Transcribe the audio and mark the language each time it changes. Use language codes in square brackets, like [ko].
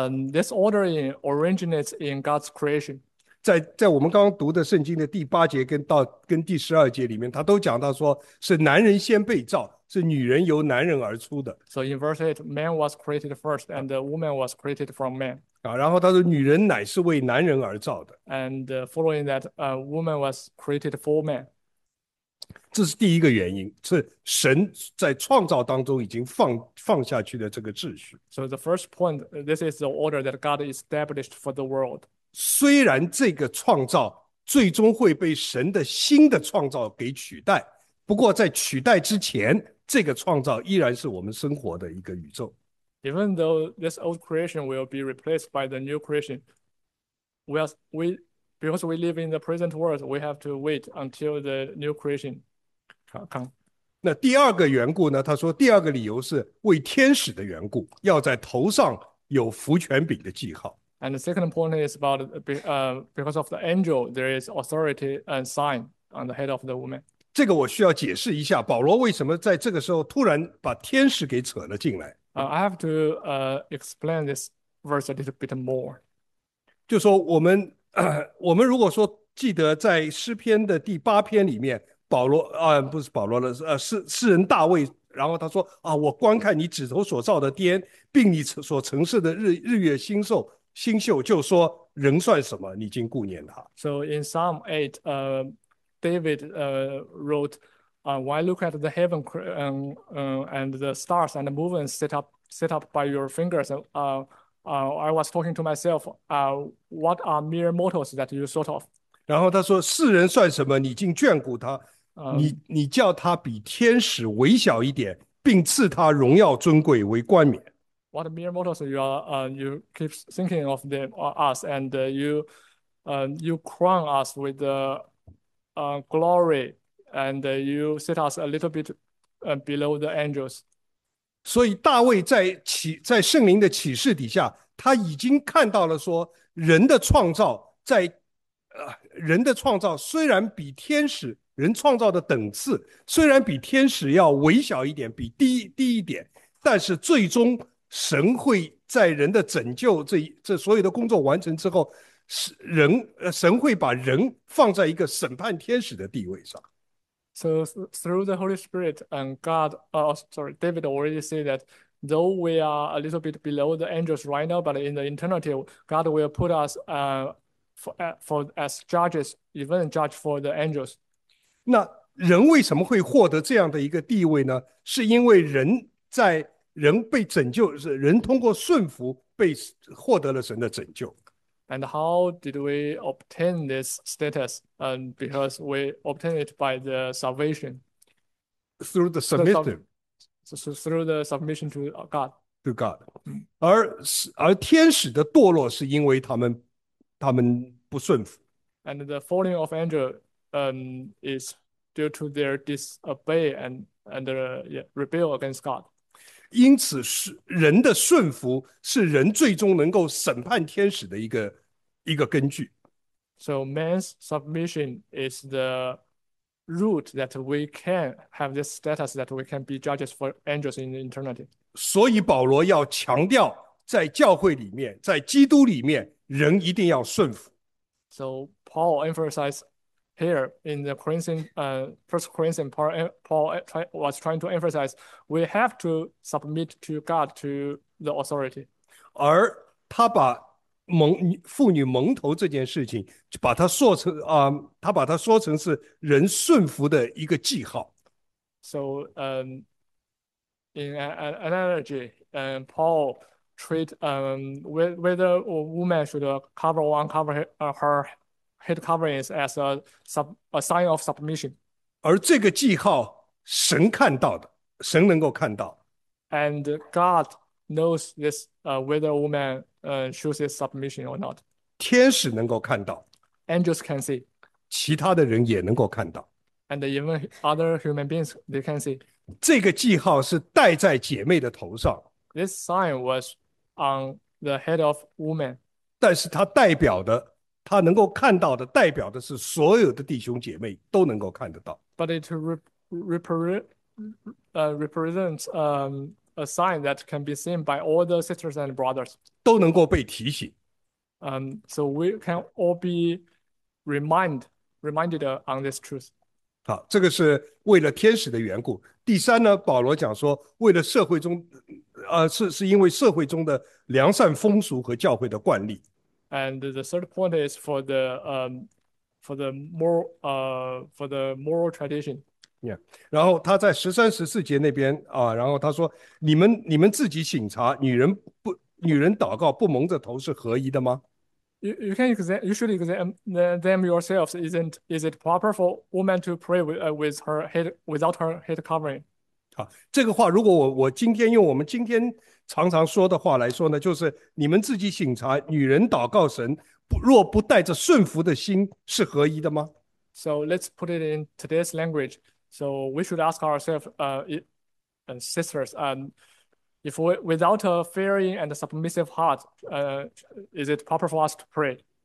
[en] This ordering originates in God's creation. [zh] 在我们刚刚读的圣经的第八节跟第12节里面，他都讲到说是男人先被造，是女人由男人而出的。 [en] So in verse 8, man was created first, and the woman was created from man. [zh] 然后他说女人乃是为男人而造的。 [en] And following that, a woman was created for man. [zh] 这是第一个原因，是神在创造当中已经放下去的这个秩序。 [en] So the first point, this is the order that God established for the world. [zh] 虽然这个创造最终会被神的新的创造给取代，不过在取代之前，这个创造依然是我们生活的一个宇宙。 [en] Even though this old creation will be replaced by the new creation, because we live in the present world, we have to wait until the new creation come. [zh] 那第二个缘故呢？他说，第二个理由是为天使的缘故，要在头上有福权柄的记号。 [en] And the second point is about because of the angel, there is authority and sign on the head of the woman. [zh] 这个我需要解释一下，保罗为什么在这个时候突然把天使给扯了进来？ [en] I have to explain this verse a little bit more. [zh] 就说我们如果说记得在诗篇的第八篇里面。保罗，不是保罗了，诗人大卫，然后他说我观看你指头所造的颠，并你所成事的日月星宿，就说人算什么？你竟顾念他。 [en] So in Psalm 8, David wrote, "Why look at the heaven and the stars and the moon set up by your fingers? I was talking to myself, what are mere mortals that you thought of?" [zh] 然后他说世人算什么？你竟眷顾他。你叫他比天使微小一点，并赐他荣耀尊贵为冠冕。 [en] What mere mortals you keep thinking of them us and you crown us with glory, and you set us a little bit below the angels. [zh] 所以大卫在圣灵的启示底下，他已经看到了说人的创造虽然比天使。人创造的等次虽然比天使要微小一点，比低一点，但是最终神会在人的拯救这所有的工作完成之后，神会把人放在一个审判天使的地位上。 [en] So through the Holy Spirit and God, David already said that though we are a little bit below the angels right now, but in the eternity, God will put us for as judges, even judge for the angels. [zh] 那人为什么会获得这样的一个地位呢？是因为人被拯救，是人通过顺服被获得了神的拯救。 [en] And how did we obtain this status? Because we obtained it by the salvation. Through the submission Through the submission to God. to God， [zh] 而天使的堕落是因为他们不顺服。 [en] And the falling of angel is due to their disobey and rebel against God. [zh] 因此，是人的顺服是人最终能够审判天使的一个根据。 [en] So man's submission is the root that we can have this status that we can be judges for angels in eternity. [zh] 所以，保罗要强调，在教会里面，在基督里面，人一定要顺服。 [en] So Paul emphasized here in the Corinthian, First Corinthian, Paul was trying to emphasize we have to submit to God, to the authority. [zh] 而他把妇女蒙头这件事情，就把它说成啊、嗯，他把它说成是人顺服的一个记号。 [en] So, in an analogy, Paul treat whether a woman should cover or uncover her head coverings as a sign of submission. [zh] 而这个记号，神看到的，神能够看到。 [en] And God knows this whether a woman chooses submission or not. [zh] 天使能够看到， [en] Angels can see. [zh] 其他的人也能够看到。 [en] And even other human beings, they can see. [zh] 这个记号是戴在姐妹的头上， [en] This sign was on the head of woman. [zh] 但是它代表的，它能够看到的，代表的是所有的弟兄姐妹都能够看得到。 [en] But it re represents a sign that can be seen by all the sisters and brothers. [zh] 都能够被提醒。 [en] So we can all be reminded on this truth. [zh] 好，这个是为了天使的缘故。第三呢，保罗讲说，为了社会中，是因为社会中的良善风俗和教会的惯例。 [en] And the third point is for the moral tradition. Yeah. [zh] 然后他在13、14节那边啊，然后他说，你们自己醒察，女人祷告不蒙着头是合宜的吗？ [en] You should examine them yourselves. Is it proper for woman to pray with her head without her head covering? [zh] 好，这个话如果我今天用我们今天常常说的话来说呢，就是你们自己醒察，女人祷告神不若不带着顺服的心是合宜的吗？ [en] So let's put it in today's language. So we should ask ourselves, sisters, if we, without a fearing and a submissive heart, is it proper for us to pray?